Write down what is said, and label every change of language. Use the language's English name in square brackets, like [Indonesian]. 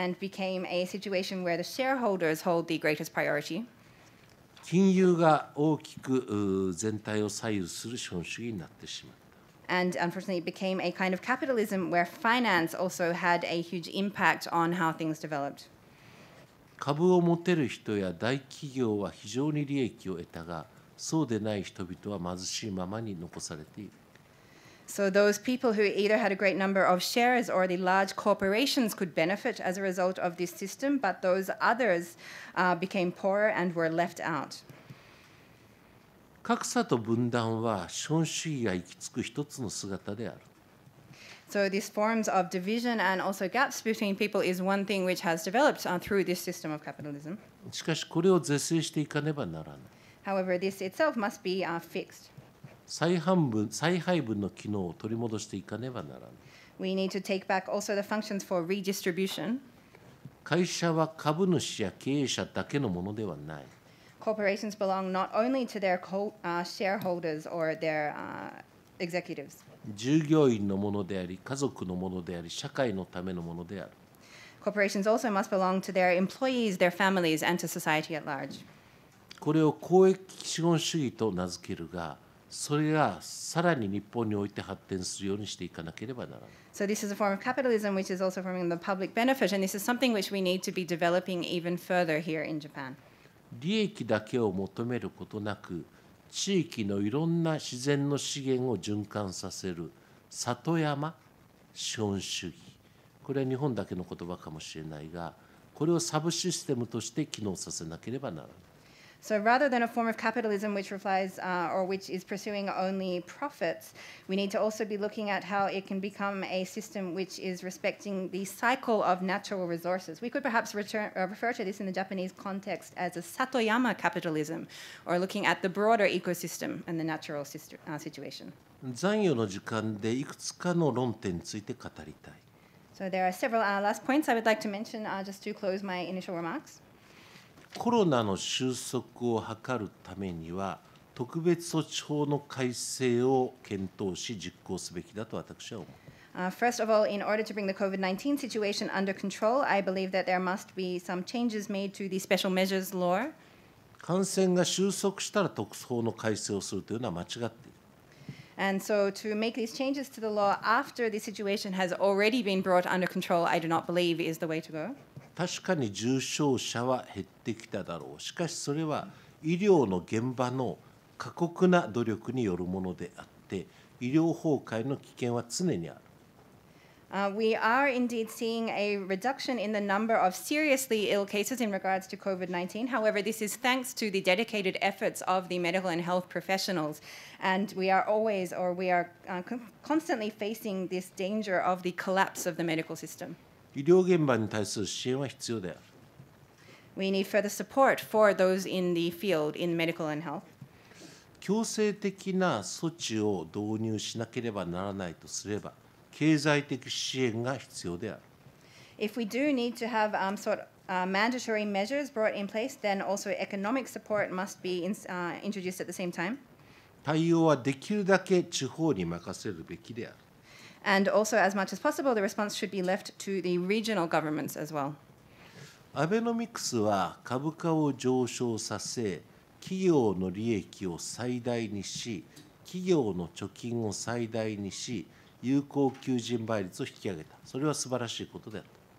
[English] And became a situation where the shareholders hold the greatest priority. [Japanese] 金融が大きく全体を左右する資本主義になってしまった。 [English] And unfortunately, it became a kind of capitalism where finance also had a huge impact on how things developed. [Japanese] 株を持てる人や大企業は非常に利益を得たが、そうでない人々は貧しいままに残されている。 [English] So those people who either had a great number of shares or the large corporations could benefit as a result of this system, but those others became poorer and were left out. [Japanese] 格差と分断は資本主義が行き着く一つの姿である。 [English] So these forms of division and also gaps between people is one thing which has developed through this system of capitalism. [Japanese] しかしこれを是正していかねばならない。 [English] However, this itself must be fixed. [Japanese] 再配分の機能を取り戻していかねばならない。 [English] We need to take back also the functions for redistribution. [Japanese] 会社は株主や経営者だけのものではない。 [English] Corporations belong not only to their shareholders or their executives. [Japanese] 従業員のものであり、家族のものであり、社会のためのものである。 [English] Corporations also must belong to their employees, their families, and to society at large. [Japanese] これを公益資本主義と名付けるが、それがさらに日本において発展するようにしていかなければならない。 [English] So this is a form of capitalism which is also forming the public benefit, and this is something which we need to be developing even further here in Japan. [Japanese] 利益だけを求めることなく、地域のいろんな自然の資源を循環させる里山資本主義。これは日本だけの言葉かもしれないが、これをサブシステムとして機能させなければならない。 [English] So rather than a form of capitalism which relies or which is pursuing only profits, we need to also be looking at how it can become a system which is respecting the cycle of natural resources. We could perhaps refer to this in the Japanese context as a Satoyama capitalism, or looking at the broader ecosystem and the natural situation. [Japanese] 残余の時間でいくつかの論点について語りたい。 [English] So there are several last points I would like to mention just to close my initial remarks. [Japanese] コロナの収束を図るためには特別措置法の改正を検討し実行すべきだと私は思う。 [English] First of all, in order to bring the COVID-19 situation under control, I believe that there must be some changes made to the special measures law. [Japanese] 感染が収束したら特措法の改正をするというのは間違っている。 [English] And so to make these changes to the law after the situation has already been brought under control, I do not believe is the way to go. [Japanese] 確かに重症者は減ってきただろう。しかしそれは医療の現場の過酷な努力によるものであって、医療崩壊の危険は常にある。 [English] We are indeed seeing a reduction in the number of seriously ill cases in regards to COVID-19. However, this is thanks to the dedicated efforts of the medical and health professionals. And we are always, or we are constantly facing this danger of the collapse of the medical system. [Japanese] 医療現場に対する支援は必要である。 [English] We need further support for those in the field, in medical and health. [Japanese] 強制的な措置を導入しなければならないとすれば、経済的支援が必要である。 [English] If we do need to have mandatory measures brought in place, then also economic support must be introduced at the same time. [Japanese] 対応はできるだけ地方に任せるべきである。 [English] And also, as much as possible, the response should be left to the regional governments as well. [Japanese] アベノミクスは株価を上昇させ、企業の利益を最大にし、企業の貯金を最大にし、有効求人倍率を引き上げた。それは素晴らしいことであった。